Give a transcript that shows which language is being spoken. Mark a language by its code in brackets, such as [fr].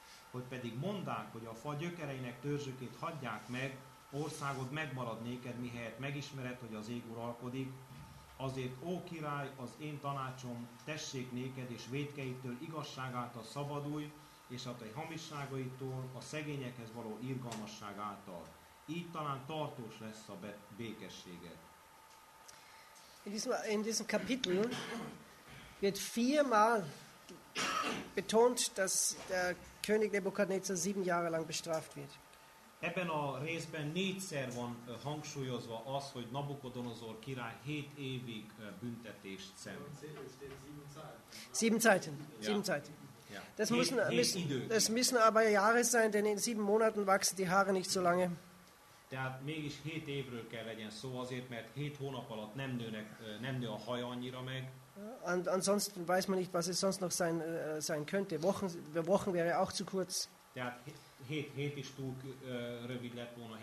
[hu] Hogy pedig mondák, hogy a fa gyökereinek törzsükét hagyják meg, országod megmarad néked, mihelyett megismered, hogy az ég uralkodik. Azért, ó király, az én tanácsom, tessék néked, és vétkeitől igazság által szabadulj, és a te hamisságaitól, a szegényekhez való irgalmasság által. Így talán tartós lesz a békességed. [de] In diesem Kapitel wird viermal betont, dass der König Nebukadnezar 7 Jahre lang bestraft wird. [hu] Ebben a részben 4-szer van hangsúlyozva az, hogy Nabukodonozor király 7 évig büntetést szenved. [de] 7 Zeiten. 7 Zeiten. Das müssen aber Jahre sein, denn in 7 Monaten wachsen die Haare nicht so lange. [hu] Tehát mégis 7 évről kell legyen szó, azért mert 7 hónap alatt nem nő a haja annyira meg. [de] Ansonsten weiß man nicht, was es sonst noch sein könnte. Wochen wäre auch zu kurz. [hu] Tehát 7 is túl rövid lett volna, 7